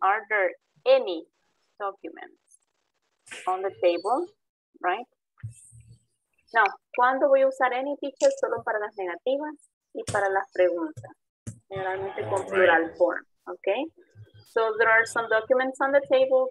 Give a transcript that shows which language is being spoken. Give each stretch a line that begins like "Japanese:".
English: Are there any documents on the table, right?
Spanish: No. ¿Cuándo voy a usar any, teacher? Solo para las negativas y para las preguntas.
English: Generalmente con plural form, okay? So there are some documents on the table.